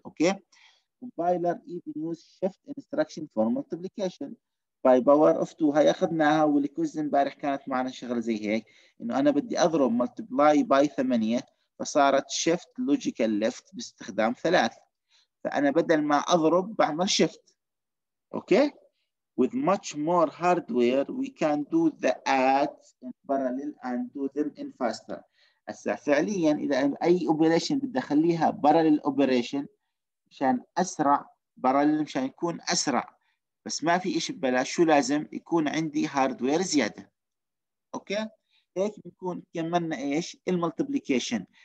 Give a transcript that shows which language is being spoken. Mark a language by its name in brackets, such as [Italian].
[English] Okay, compiler even use shift instruction for multiplication by power of 2. [Arabic] هاي اخذناها، والكوز امبارح كانت معنا شغله زي هيك، انه انا بدي اضرب multiply by 8 فصارت shift logical left باستخدام 3. فانا بدل ما اضرب بعمل shift. [English] Okay, with much more hardware we can do the adds in parallel and do them in faster. [Arabic] هسه فعليا اذا اي operation بدي اخليها parallel operation مشان اسرع، برلل مشان يكون اسرع، بس ما في شيء ببلاش، شو لازم يكون عندي هاردوير زياده. اوكي، هيك بنكون كملنا ايش الملتيبليكيشن.